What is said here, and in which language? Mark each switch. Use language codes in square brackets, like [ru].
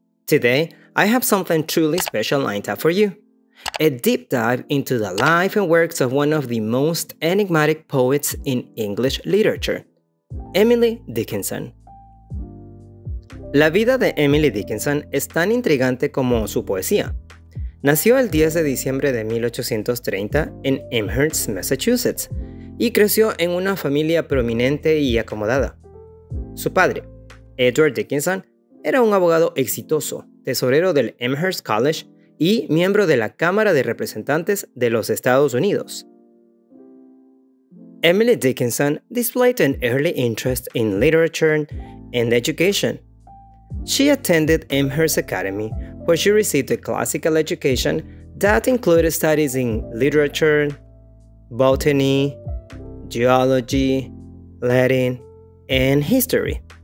[en] Today, I have something truly special lined up for you. A deep dive into the life and works of one of the most enigmatic poets in English literature, Emily Dickinson. [es] La vida de Emily Dickinson es tan intrigante como su poesía. Nació el 10 de diciembre de 1830 en Amherst, Massachusetts, y creció en una familia prominente y acomodada. Su padre, Edward Dickinson, era un abogado exitoso, tesorero del Amherst College y miembro de la Cámara de Representantes de los Estados Unidos. [en] Emily Dickinson displayed an early interest in literature and education. She attended Amherst Academy, where she received a classical education that included studies in literature, botany, geology, Latin, and history.